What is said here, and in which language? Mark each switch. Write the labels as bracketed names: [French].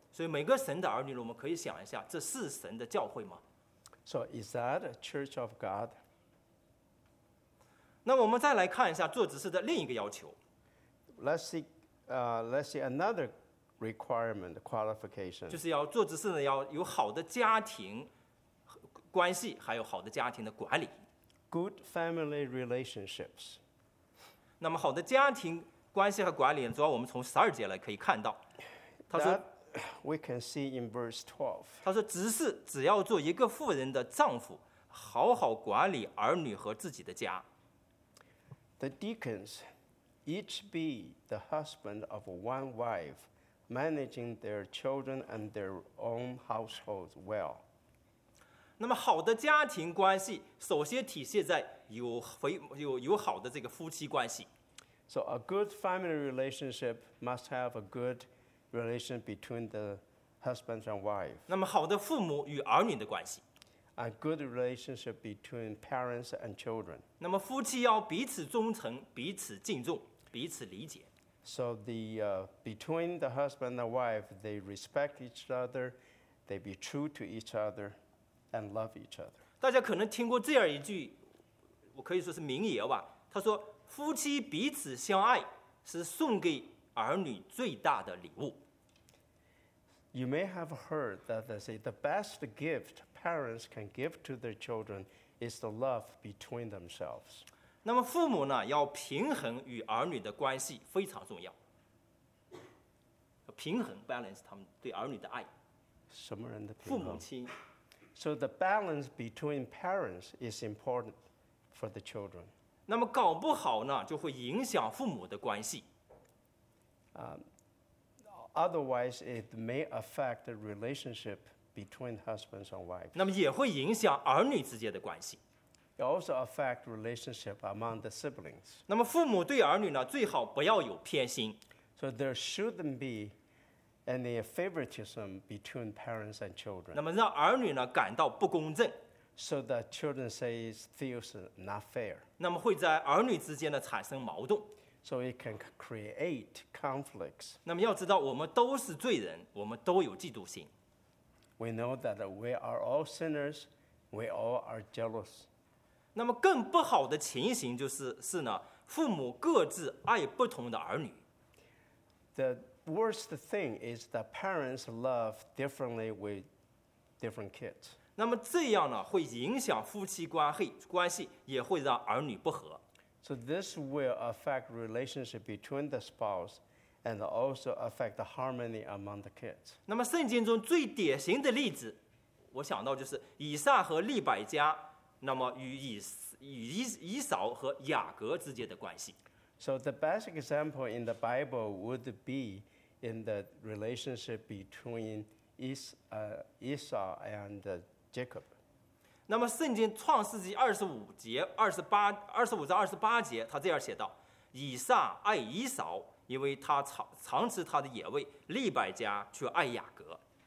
[Chinese] 所以每个神的儿女，我们可以想一下，这是神的教会吗？ [English] So is that a church of God? [Chinese] 那我们再来看一下做执事的另一个要求。 [English] Let's see another requirement, qualification. [Chinese] 就是要做执事呢，要有好的家庭关系，还有好的家庭的管理。 [English] Good family relationships. [Chinese] 那么好的家庭关系和管理，主要我们从十二节来可以看到。他说 [English] ，We can see in verse 12. [Chinese] 他说，执事只要做一个妇人的丈夫，好好管理儿女和自己的家。 [English] The deacons, each be the husband of one wife, managing their children and their own household well. [Chinese] 那么好的家庭关系首先体现在 有好的这个夫妻关系。 [English] So a good family relationship must have a good relation between the husband and wife. [Chinese] 那么好的父母与儿女的关系。 [English] A good relationship between parents and children. [Chinese] 那么夫妻要彼此忠诚，彼此敬重，彼此理解。 [English] So the, between the husband and wife, they respect each other, they be true to each other, and love each other. [Chinese] 大家可能听过这样一句，我可以说是名言吧。他说，夫妻彼此相爱是送给儿女最大的礼物。 [English] You may have heard that they say the best gift parents can give to their children is the love between themselves. [Chinese] 那么父母呢，要平衡与儿女的关系非常重要。平衡 balance 他们对儿女的爱。什么人的父母亲。 [English] So the balance between parents is important for the children. [Chinese] 那么搞不好呢，就会影响父母的关系。 [English] Otherwise, it may affect the relationship between husbands and wives. [Chinese] 那么也会影响儿女之间的关系。 [English] It also affects relationship among the siblings. [Chinese] 那么父母对儿女呢，最好不要有偏心。 [English] So there shouldn't be any favoritism between parents and children. [Chinese] 那么让儿女呢感到不公正。 [English] So that children say it feels not fair. [Chinese] 那么会在儿女之间呢产生矛盾。 [English] So it can create conflicts. [Chinese] 那么要知道，我们都是罪人，我们都有嫉妒心。 [English] We know that we are all sinners. We all are jealous. [Chinese] 那么更不好的情形就是呢，父母各自爱不同的儿女。 [English] The worst thing is that parents love differently with different kids. [Chinese] 那么这样呢，会影响夫妻关系，也会让儿女不和。 [English] So this will affect relationship between the spouse and also affect the harmony among the kids. [Chinese] 那么圣经中最典型的例子，我想到就是以撒和利百加，那么与以扫和雅各之间的关系。 [English] So the best example in the Bible would be in the relationship between Esau and Jacob. [Chinese] 那么圣经创世纪25章28节他这样写道，以撒爱以扫，因为他常吃他的野味，利百加却爱雅各。